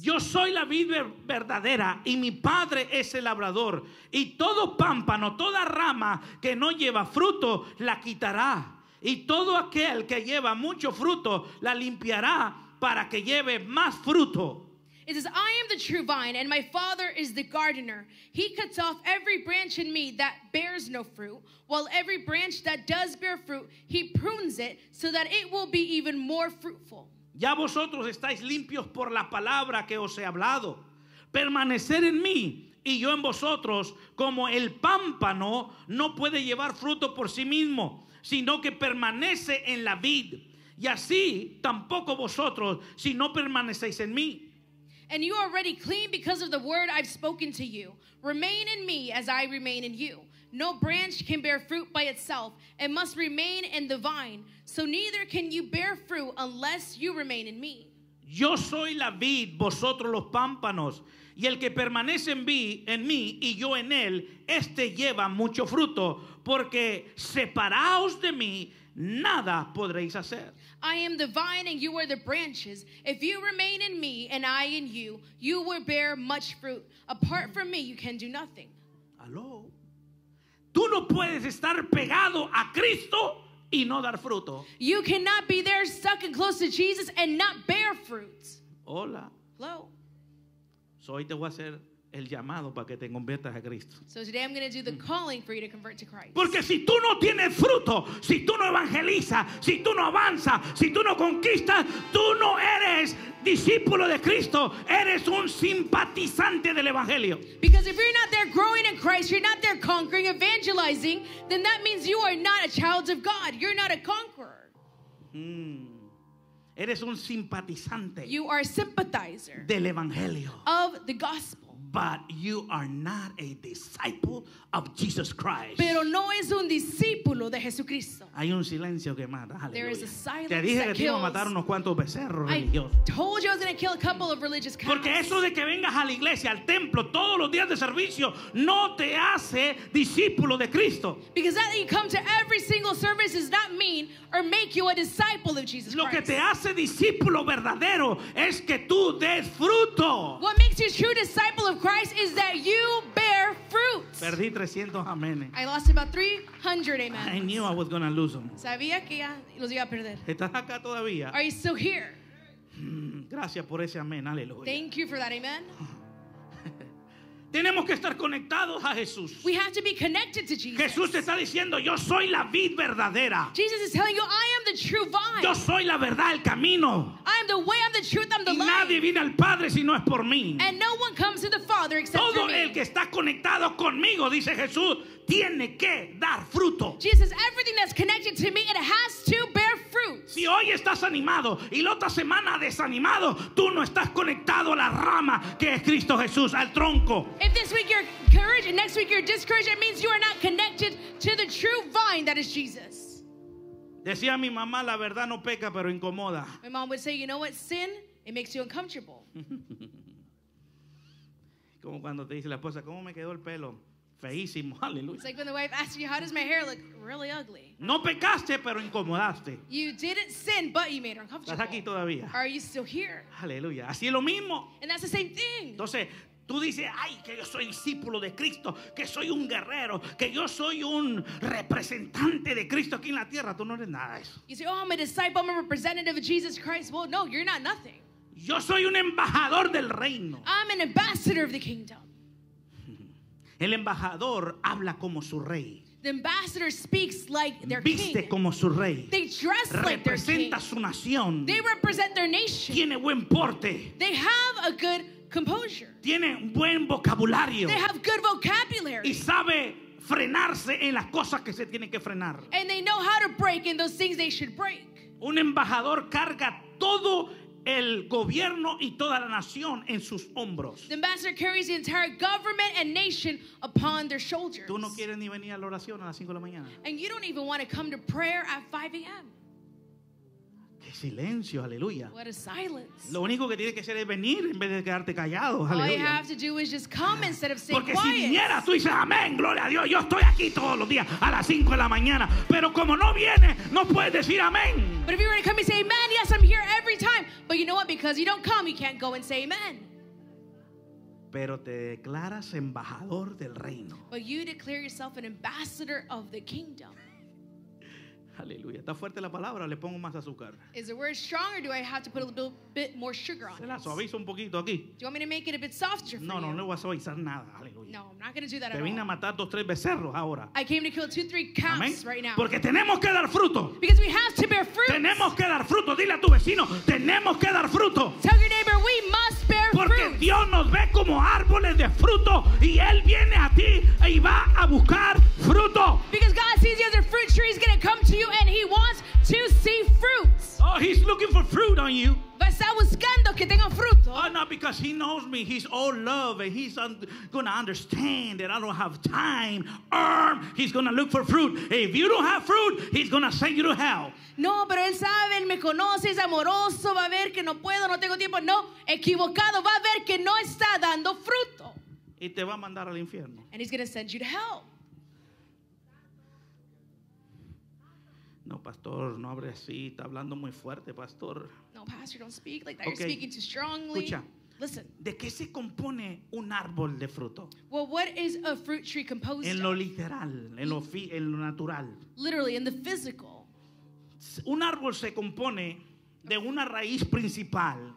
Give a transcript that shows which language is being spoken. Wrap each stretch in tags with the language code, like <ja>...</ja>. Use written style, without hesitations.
<es>Yo soy la vid verdadera y mi padre es el labrador. Y todo pámpano, toda rama que no lleva fruto, la quitará. Y todo aquel que lleva mucho fruto, la limpiará para que lleve más fruto.</es> <en>It says, I am the true vine and my father is the gardener. He cuts off every branch in me that bears no fruit, while every branch that does bear fruit, he prunes it so that it will be even more fruitful.</en> <es>Ya vosotros estáis limpios por la palabra que os he hablado. Permanecer en mí y yo en vosotros, como el pámpano no puede llevar fruto por sí mismo, sino que permanece en la vid. Y así tampoco vosotros, si no permanecéis en mí.</es> <en>And you are already clean because of the word I've spoken to you. Remain in me as I remain in you. No branch can bear fruit by itself. It must remain in the vine. So neither can you bear fruit unless you remain in me.</en> <es>Yo soy la vid, vosotros los pámpanos. Y el que permanece en mí y yo en él, este lleva mucho fruto. Porque separaos de mí, nada podréis hacer.</es> <en>I am the vine and you are the branches. If you remain in me and I in you, you will bear much fruit. Apart from me, you can do nothing.</en> <es>Aló. Tú no puedes estar pegado a Cristo y no dar fruto.</es> <en>You cannot be there stuck and close to Jesus and not bear fruit.</en> <es>Hola.</es> <en>Hello.</en> <es>So hoy te voy a hacer el llamado para que te conviertas a Cristo.</es> <en>So today I'm going to do the calling for you to convert to Christ.</en> <es>Porque si tú no tienes fruto, si tú no evangelizas, si tú no avanzas, si tú no conquistas, tú no eres discípulo de Cristo, eres un simpatizante del evangelio.</es> <en>Because if you're not there growing in Christ, you're not there conquering, evangelizing, then that means you are not a child of God. You're not a conqueror.</en> <es>Eres un simpatizante.</es> <en>You are a sympathizer</en> <es>del evangelio.</es> <en>Of the gospel. But you are not a disciple of Jesus Christ.</en> <es>Pero no es un discípulo de Jesucristo. Hay un silencio que mata. Aleluya.</es> <en>There is a silence.</en> <es>Te dije</es> <en>that</en> <es>que</es> <en>kills.</en> <es>Te iba a matar unos cuantos becerros</es> <en>I</en> <es>religiosos.</es> <en>Told you I was going to kill a couple of religious cows.</en> <es>Porque eso de que vengas a la iglesia, al templo todos los días de servicio no te hace discípulo de Cristo.</es> <en>Because that you come to every single service does not mean or make you a disciple of Jesus Christ.</en> <es>Lo que te hace discípulo verdadero es que tú des fruto.</es> <en>What makes you a true disciple of Christ is that you bear fruit.</en> <es>Perdí 300 amenes.</es> <en>I lost about 300 amens. I knew I was going to lose them.</en> <es>Sabía que ya los iba a perder. ¿Estás acá todavía?</es> <en>Are you still here?</en> <es>Gracias por ese amén. Aleluya.</es> <en>Thank you for that amen.</en> <es>Tenemos que estar conectados a Jesús.</es> <en>We have to be connected to Jesus.</en> <es>Jesús te está diciendo, yo soy la vid verdadera.</es> <en>Jesus is telling you, I am the true vine.</en> <es>Yo soy la verdad, el camino.</es> <en>I am the way, I'm the truth, I'm the life.</en> <es>Y nadie viene al Padre si no es por mí.</es> <en>And no one comes to the Father except</en> <es>Todo</es> <en>for me.</en> <es>Todo el que está conectado conmigo, dice Jesús, tiene que dar fruto.</es> <en>Jesus, everything that's connected to me, it has to bear fruit. fruit.</en> <es>Si hoy estás animado y la otra semana desanimado, tú no estás conectado a la rama que es Cristo Jesús, al tronco.</es> <en>If this week you're encouraged and next week you're discouraged, it means you are not connected to the true vine that is Jesus.</en> <es>Decía mi mamá, la verdad no peca, pero incomoda.</es> <en>My mom would say, you know what, sin, it makes you uncomfortable.</en> <es>Como cuando te dice la esposa, ¿cómo me quedó el pelo? Feísimo, aleluya.</es> <en>It's like when the wife asks you, how does my hair look? Really ugly.</en> <es>No pecaste, pero incomodaste.</es> <en>You didn't sin, but you made her uncomfortable.</en> <es>¿Estás aquí todavía?</es> <en>Are you still here?</en> <es>Aleluya. Así es lo mismo.</es> <en>And that's the same thing.</en> <es>Entonces, tú dices, ay, que yo soy discípulo de Cristo, que soy un guerrero, que yo soy un representante de Cristo aquí en la tierra. Tú no eres nada de eso.</es> <en>You say, oh, I'm a disciple, I'm a representative of Jesus Christ. Well, no, you're not nothing.</en> <es>Yo soy un embajador del reino.</es> <en>I'm an ambassador of the kingdom.</en> <es>El embajador habla como su rey.</es> <en>The ambassador speaks like their</en> <es>viste</es> <en>king.</en> <es>Viste como su rey.</es> <en>They dress</en> <es>representa</es> <en>like their king.</en> <es>Representa su nación.</es> <en>They represent their nation.</en> <es>Tiene buen porte.</es> <en>They have a good composure.</en> <es>Tiene buen vocabulario.</es> <en>They have good vocabulary.</en> <es>Y sabe frenarse en las cosas que se tienen que frenar.</es> <en>And they know how to break in those things they should break.</en> <es>Un embajador carga todo el gobierno y toda la nación en sus hombros.</es> <en>The ambassador carries the entire government and nation upon their shoulders.</en> <es>Tú no quieres ni venir a la oración a las 5 de la mañana.</es> <en>And you don't even want to come to prayer at 5 a.m.</en> <es>Qué silencio, aleluya.</es> <en>What a silence.</en> <es>Lo único que tienes que hacer es venir en vez de quedarte callado, aleluya.</es> <en>All you have to do is just come instead of staying</en> <es>porque</es> <en>quiet.</en> <es>Porque si vinieras tú dices amén, gloria a Dios, yo estoy aquí todos los días a las 5 de la mañana, pero como no vienes, no puedes decir amén.</es> <en>But if you were to come and say amen, yes, I'm here every time. But you know what? Because you don't come, you can't go and say amen.</en> <es>Pero te declaras embajador del reino.</es> <en>But you declare yourself an ambassador of the kingdom.</en> <es>Aleluya. ¿Está fuerte la palabra? Le pongo más azúcar.</es> <en>Is the word strong or do I have to put a little bit more sugar on it?</en> <es>Se la suavizo un poquito aquí.</es> <en>Do you want me to make it a bit softer for</en> <es>no,</es> <en>you?</en> <es>No, no voy a suavizar nada. Aleluya.</es> <en>No, I'm not going to do that at all.</en> <es>Te vine a matar dos, tres becerros ahora.</es> <en>I came to kill two, three calves.</en> <es>Amén.</es> <en>Right now.</en> <es>Porque tenemos que dar fruto.</es> <en>Because we have to bear fruit.</en> <es>Tenemos que dar fruto. Dile a tu vecino, tenemos que dar fruto.</es> <en>Tell your neighbor, we must bear fruit.</en> <es>Porque Dios nos ve como árboles de fruto y Él viene a ti y va a buscar fruto.</es> <en>Because God sees you as a fruit tree, He's going to come to you and He wants to see fruits. Oh, He's looking for fruit on you.</en> <es>Pero está buscando que tenga fruto.</es> <en>Oh, not because He knows me. He's all love and He's going to understand that I don't have time. He's going to look for fruit. If you don't have fruit, He's going to send you to hell.</en> <es>No, pero Él sabe, Él me conoce, es amoroso, va a ver que no puedo, no tengo tiempo. No, equivocado, va a ver que no está dando fruto. Y te va a mandar al infierno.</es> <en>And He's going to send you to hell.</en> <es>No, pastor, no hable así. Está hablando muy fuerte, pastor.</es> <en>No, pastor, don't speak like that. Okay. You're speaking too strongly.</en> <es>Escucha.</es> <en>Listen.</en> <es>¿De qué se compone un árbol de fruto?</es> <en>Well, what is a fruit tree composed of?</en> <es>En lo literal, en lo natural.</es> <en>Literally, in the physical.</en> <es>Un árbol se compone de una raíz principal.</es>